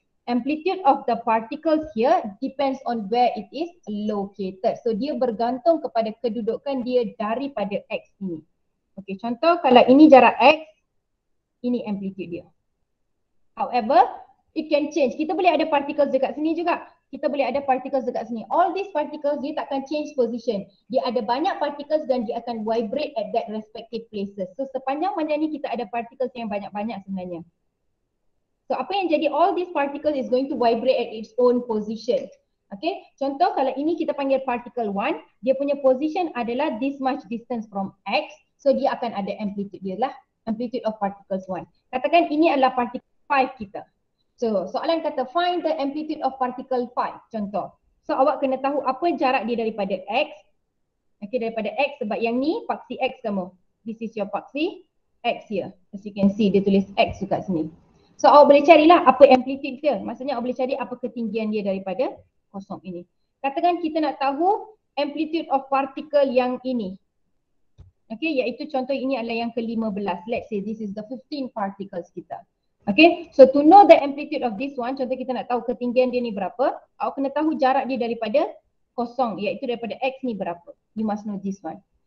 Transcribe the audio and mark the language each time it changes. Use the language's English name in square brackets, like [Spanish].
[English] Amplitude of the particles here depends on where it is located. [Malay] So dia bergantung kepada kedudukan dia daripada X ini. Okay, contoh kalau ini jarak X, ini amplitude dia. [English] However, it can change. [Malay] Kita boleh ada particles dekat sini juga. Kita boleh ada particles dekat sini. [English] All these particles, [Malay] dia takkan change position. Dia ada banyak particles dan dia akan [English] vibrate at that respective places. [Malay] So sepanjang mana ni kita ada particles yang banyak-banyak sebenarnya. So apa yang jadi, [English] all these particles is going to vibrate at its own position. [Malay] Okay, contoh kalau ini kita panggil particle 1, dia punya position adalah [English] this much distance from X. [Malay] So dia akan ada amplitude dia lah, [English] amplitude of particles 1. [Malay] Katakan ini adalah particle 5 kita. So soalan kata [English] find the amplitude of particle 5, contoh. [Malay] So awak kena tahu apa jarak dia daripada X. Okay, daripada X, sebab yang ni paksi X kamu. [English] This is your paksi X here. As you can see, [Malay] dia tulis X dekat sini. So awak boleh carilah apa amplitude dia. Maksudnya awak boleh cari apa ketinggian dia daripada kosong ini. Katakan kita nak tahu [English] amplitude of particle [Malay] yang ini. Okay, iaitu contoh ini adalah yang ke-15. [English] Let's say this is the 15 particles kita. [Malay] Okay, [English] so to know the amplitude of this one, [Malay] contoh kita nak tahu ketinggian dia ni berapa, awak kena tahu jarak dia daripada kosong, iaitu daripada X ni berapa. [English] You must know this one.